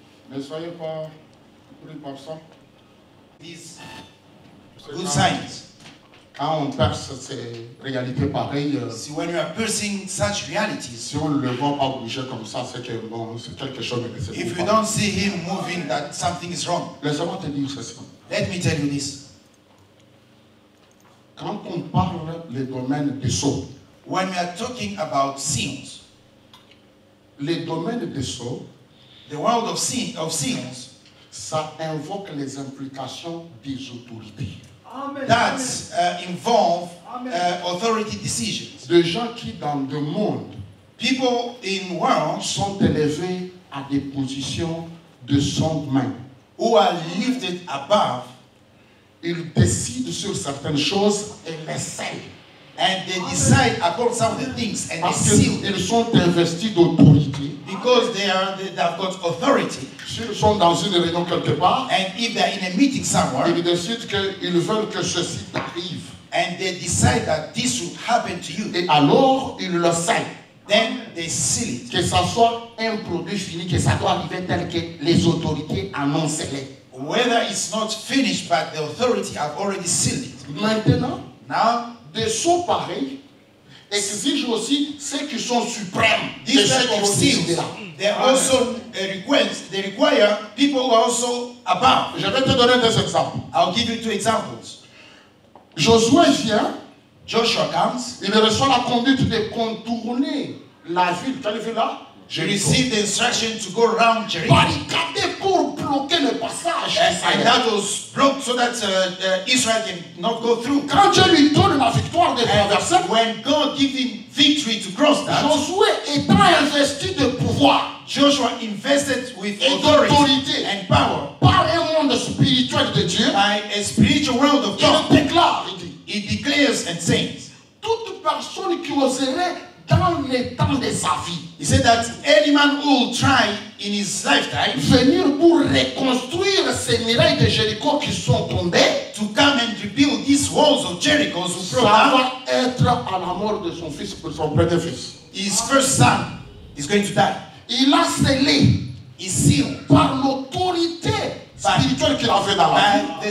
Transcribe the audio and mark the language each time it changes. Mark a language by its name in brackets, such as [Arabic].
[French] Ne soyez pas pris par ça. [English] Good signs. [French] Quand on perce ces réalités pareilles, [English] see, when you are piercing such realities, [French] si on ne le voit pas bouger comme ça, c'est que bon, c'est quelque chose de [English] If you don't see him moving, that something is wrong. [French] Laissez-moi te dire ceci. [English] Let me tell you this. [French] Quand on parle le domaine des sceaux, [English] when we are talking about seals, [French] le domaine des sceaux, [English] the world of seals, [French] ça invoque les implications des autorités. [English] Amen. That involve Amen. Authority decisions. [French] Des gens qui dans le monde, [English] people in world, [French] sont élevés à des positions de sommet, [English] who are lifted above, [French] ils décident sur certaines choses et les scellent. [English] And they decide upon some of the things and they seal. [French] Ils sont investis d'autorité. [English] Because they have got authority. [French] S'ils sont dans une réunion quelque part, [English] and if they are in a meeting somewhere, [French] ils décident qu'ils veulent que ceci arrive. [English] And they decide that this would happen to you. [French] Et alors ils le scellent. [English] Then they seal it. [French] Que ça soit un produit fini, que ça doit arriver tel que les autorités annoncent. [English] Whether it's not finished, but the authority have already sealed it. [French] Maintenant, [English] now. [French] Des sceaux pareils exigent aussi ceux qui sont suprêmes. [English] These types of seals, they also request, they require people who are also above. [French] Je vais te donner deux exemples. [English] I'll give you two examples. [French] Josué vient, [English] Joshua comes, [French] il reçoit la conduite de contourner la ville. Quelle ville là? [English] Je receive the instruction to go around Jericho. [French] Barricader pour bloquer le passage. [English] Yes, and that was blocked so that Israel can not go through. [French] Quand Dieu lui donne la victoire de traverser, [English] when God gives him victory to cross that, [French] Josué étant investi de pouvoir, [English] Joshua invested with authority and power [French] par un monde spirituel de Dieu, [English] by a spiritual world of God, [French] il déclare, [English] he declares and says, [French] toute personne qui oserait dans le temps de sa vie, [English] he said that any man who will try in his lifetime [French] venir pour reconstruire ces murailles de Jéricho qui sont tombées, [English] to come and rebuild these walls of Jericho, [French] ça va être à la mort de son fils pour son premier fils. [English] His first son is going to die. [French] Il a scellé ici par l'autorité spirituelle qu'il avait dans la vie,